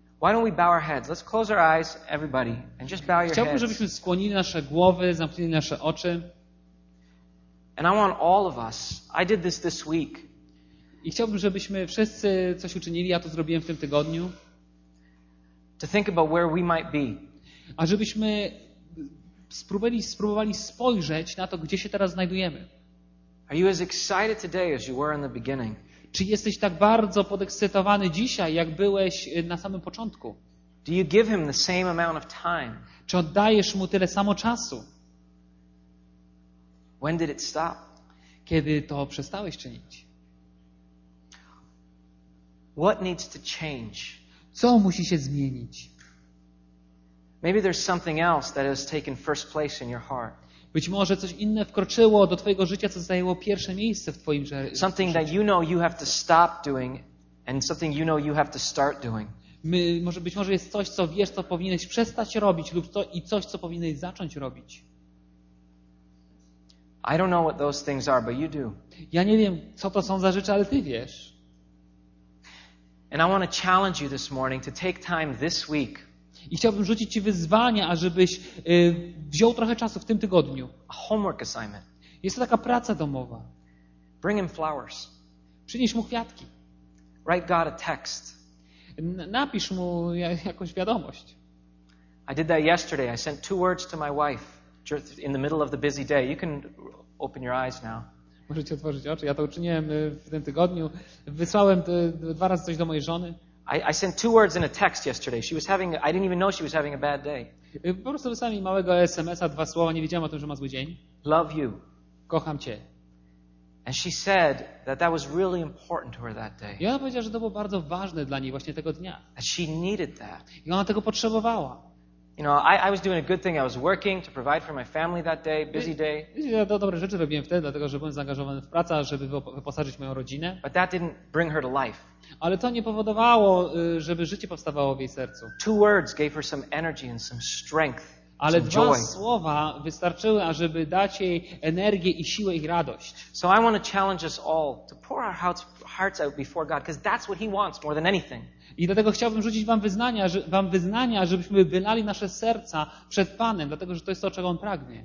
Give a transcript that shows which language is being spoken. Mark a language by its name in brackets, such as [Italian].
[English] Why don't we bow our heads? Let's close our eyes, everybody, and just bow your heads. [Polish] Chciałbym, żebyśmy skłonili nasze głowy, zamknęli nasze oczy. [English] And I want all of us. I did this week. [Polish] I chciałbym, żebyśmy wszyscy coś uczynili. Ja to zrobiłem w tym tygodniu. [English] To think about where we might be. [Polish] A żebyśmy spróbowali spojrzeć na to, gdzie się teraz znajdujemy. [English] Are you as excited today as you were in the beginning? [Polish] Czy jesteś tak bardzo podekscytowany dzisiaj, jak byłeś na samym początku? [English] Do you give him the same amount of time? [Polish] Czy oddajesz mu tyle samo czasu? [English] When did it stop? [Polish] Kiedy to przestałeś czynić? [English] What needs to change? [Polish] Co musi się zmienić? [English] Maybe there's something else that has taken first place in your heart. [Polish] Być może coś inne wkroczyło do twojego życia, co zajęło pierwsze miejsce w twoim życiu. [English] Something that you know you have to stop doing and something you know you have to start doing. [Polish] Być może jest coś, co wiesz, co powinieneś przestać robić lub to i coś, co powinieneś zacząć robić. [English] I don't know what those things are, but you do. [Polish] Ja nie wiem, co to są za rzeczy, ale ty wiesz. [English] And I want to challenge you this morning to take time this week. [Polish] I chciałbym rzucić ci wyzwanie, ażebyś wziął trochę czasu w tym tygodniu. [English] A homework assignment. [Polish] Jest to taka praca domowa. [English] Bring him flowers. [Polish] Przynieś mu kwiatki. [English] Write God a text. [Polish] Napisz mu jakąś wiadomość. [English] I did that yesterday. I sent two words to my wife in the middle of the busy day. You can open your eyes now. [Polish] Możecie otworzyć oczy. Ja to uczyniłem w tym tygodniu. Wysłałem dwa razy coś do mojej żony. [English] I sent two words in a text yesterday. She was having, I didn't even know she was having a bad day. [Polish] Po prostu wysłałem jej małego SMS-a, dwa słowa, nie wiedziałem o tym, że ma zły dzień. [English] Love you. [Polish] Kocham cię. [English] And she said that that was really important to her that day. [Polish] I ona powiedziała, że to było bardzo ważne dla niej właśnie tego dnia. [English] And she needed that. [Polish] I ona tego potrzebowała. [English] You know, I was doing a good thing. I was working to provide for my family that day, busy day. [Polish] Ja to dobre rzeczy robiłem wtedy, dlatego że byłem zaangażowany w pracę, żeby wyposażyć moją rodzinę. [English] But that didn't bring her to life. [Polish] Ale to nie powodowało, żeby życie powstawało w jej sercu. [English] Two words gave her some energy and some strength. [Polish] Ale [English] some [Polish] dwa [English] joy. [Polish] Słowa wystarczyły, ażeby dać jej energię i siłę i radość. [English] So I want to challenge us all to pour our hearts out before God, because that's what he wants more than anything. [Polish] I dlatego chciałbym rzucić wam wyznania, żebyśmy wylali nasze serca przed Panem, dlatego że to jest to, czego on pragnie.